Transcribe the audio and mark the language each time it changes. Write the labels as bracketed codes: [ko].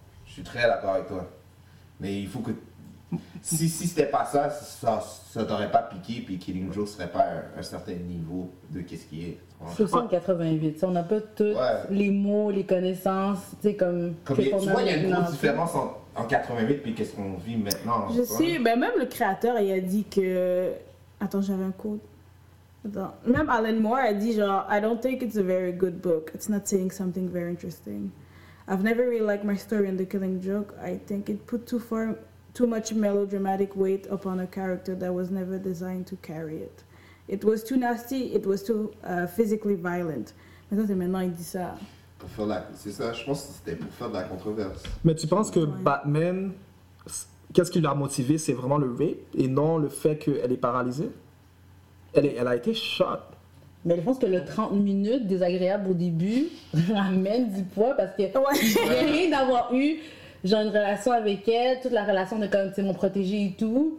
[fr] Je suis très d'accord avec toi. Mais il faut que... Si c'était pas ça, ça t'aurait pas piqué, puis Killing Joke serait pas un certain niveau de qu'est-ce qui est. 688, on n'a pas tous les mots, les connaissances, tu sais, comme tu vois, il y a une grosse différence en 88 puis qu'est-ce qu'on vit maintenant. Je sais, mais même le créateur, il a dit que... Attends, j'avais un code. Attends. Même Alan Moore a dit genre, [en] « I don't think it's a very good book. It's not saying something very interesting. I've never really liked my story in The Killing Joke. I think it put too much melodramatic weight upon a character that was never designed to carry it. It was too nasty, it was too physically violent. » [fr] Mais ça, c'est maintenant, il dit ça. Pour faire la... C'est ça, je pense que c'était pour faire de la controverse. Mais tu penses que ouais. Batman, qu'est-ce qui l'a motivé, c'est vraiment le rape et non le fait qu'elle est paralysée? Elle a été shot. Mais je pense que le 30 minutes désagréable au début ramène du poids parce que j'ai rien d'avoir eu genre une relation avec elle, toute la relation de comme t'sais, mon protégé et tout.